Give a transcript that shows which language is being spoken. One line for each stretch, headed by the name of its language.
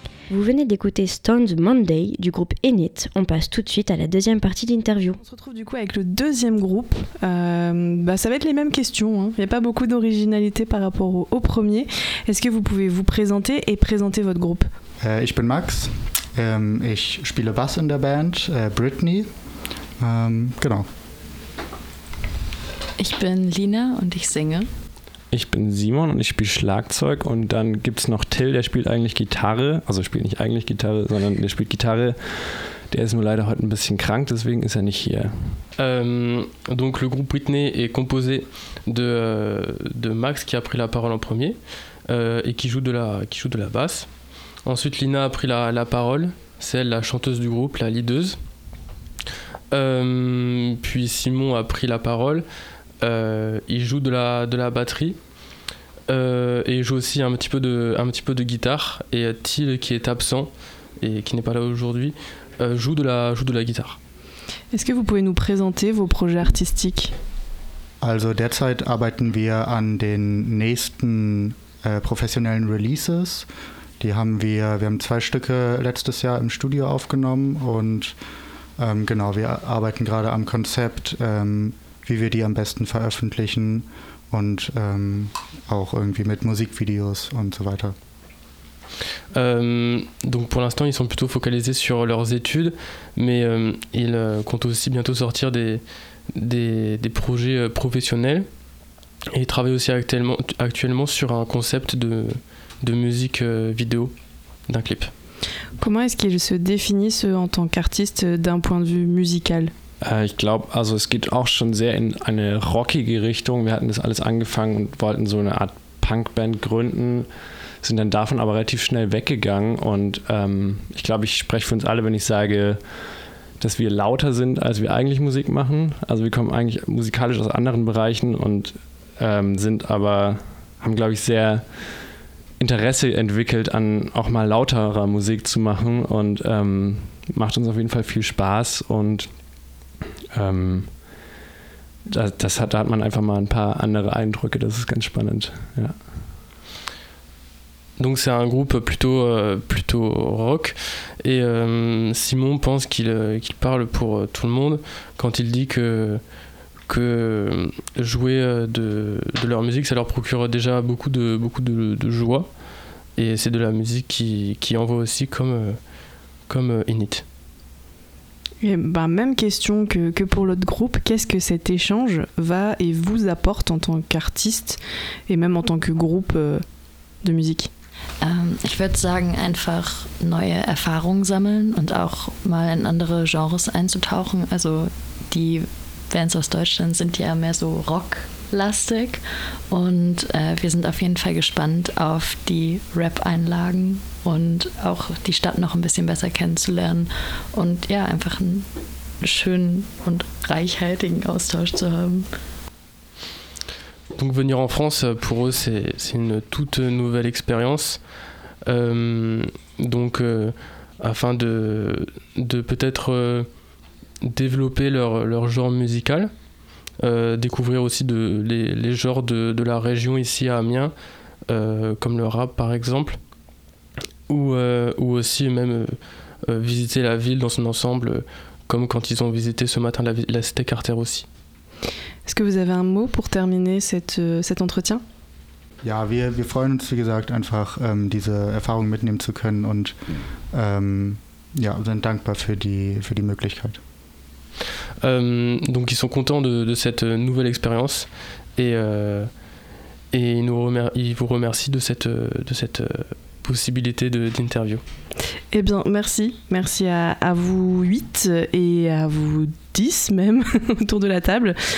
French: Vous venez d'écouter Stone's Monday du groupe Init. On passe tout de suite à la deuxième partie d'interview. On se retrouve du coup avec le deuxième groupe. Ça va être les mêmes questions, hein. Il n'y a pas beaucoup d'originalité par rapport au premier. Est-ce que vous pouvez vous présenter et présenter votre groupe?
German: Ich bin Max. Ich spiele Bass in der Band, Brittany. Genau. Ich bin Lina und ich singe. Ich bin Simon und ich spiele Schlagzeug und dann gibt es noch Till, der spielt eigentlich Gitarre, also spielt nicht eigentlich Gitarre, sondern der spielt Gitarre, der ist nur leider heute ein bisschen krank, deswegen ist er nicht hier.
French: Donc le groupe Whitney est composé de Max qui a pris la parole en premier et qui joue de la basse. Ensuite Lina a pris la parole, c'est elle la chanteuse du groupe, la leaduse. Puis Simon a pris la parole. Il joue de la batterie et il joue aussi un petit peu de guitare. Et Till, qui est absent et qui n'est pas là aujourd'hui, joue de la guitare. Est-ce que vous pouvez nous présenter vos projets artistiques?
German: Also derzeit arbeiten wir an den nächsten professionellen Releases. Wir haben zwei Stücke letztes Jahr im Studio aufgenommen und genau, wir arbeiten gerade am Konzept. Wie wir die am besten veröffentlichen und auch irgendwie mit Musikvideos und so weiter.
French: Donc pour l'instant, ils sont plutôt focalisés sur leurs études, mais ils comptent aussi bientôt sortir des projets professionnels et ils travaillent aussi actuellement sur un concept de musique vidéo d'un clip. Comment est-ce qu'ils se définissent en tant qu'artistes d'un point de vue musical?
German: Ich glaube, also es geht auch schon sehr in eine rockige Richtung. Wir hatten das alles angefangen und wollten so eine Art Punkband gründen, sind dann davon aber relativ schnell weggegangen. Und ich glaube, ich spreche für uns alle, wenn ich sage, dass wir lauter sind, als wir eigentlich Musik machen. Also wir kommen eigentlich musikalisch aus anderen Bereichen und haben, glaube ich, sehr Interesse entwickelt, an auch mal lauterer Musik zu machen. Und macht uns auf jeden Fall viel Spaß und da hat man einfach mal ein paar andere Eindrücke, das ist ganz spannend, ja.
French: Donc c'est un groupe plutôt rock et Simon pense qu'il parle pour tout le monde quand il dit que jouer de leur musique, ça leur procure déjà beaucoup de joie et c'est de la musique qui envoie aussi comme Init. Et bah, même question que pour l'autre groupe, qu'est-ce que cet échange va et vous apporte en tant qu'artiste et même en tant que groupe de musique?
German: Ich würde sagen, einfach neue Erfahrungen sammeln und auch mal in andere Genres einzutauchen, also die, Bands aus Deutschland sind ja mehr so rocklastig und wir sind auf jeden Fall gespannt auf die Rap-Einlagen und auch die Stadt noch ein bisschen besser kennenzulernen und ja, einfach einen schönen und reichhaltigen Austausch zu haben.
French: Donc venir en France, pour eux, c'est une toute nouvelle expérience. Afin de peut-être développer leur genre musical, découvrir aussi les genres de la région ici à Amiens, comme le rap par exemple, ou aussi même visiter la ville dans son ensemble, comme quand ils ont visité ce matin la cité Carter aussi. Est-ce que vous avez un mot pour terminer cet entretien ?
German: Ja, wir freuen uns, wie gesagt, einfach diese Erfahrung mitnehmen zu können und sind dankbar für die Möglichkeit.
French: Donc ils sont contents de cette nouvelle expérience et ils vous remercient de cette possibilité d'interview. Eh bien, merci. Merci à vous 8 et à vous 10 même autour de la table.